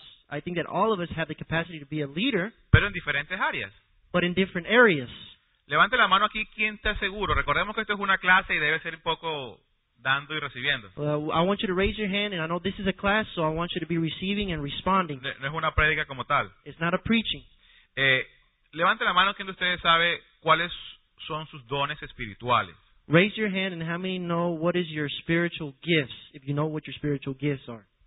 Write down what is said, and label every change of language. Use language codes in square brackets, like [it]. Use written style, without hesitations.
[en] I think that all of us have the capacity to be a leader. [es] Pero en diferentes áreas. [en] But in different areas. [es] Levante la mano aquí quien está seguro. Recordemos que esto es una clase y debe ser un poco dando y recibiendo. [en] I want you to raise your hand, and I know this is a class, so I want you to be receiving and responding. [es] No es una prédica como tal. [en] It's not a preaching. [es] Levante la mano quien de ustedes sabe cuáles son sus dones espirituales. [en] Raise your hand and how many know what is your spiritual gifts, if you know what your spiritual gifts are.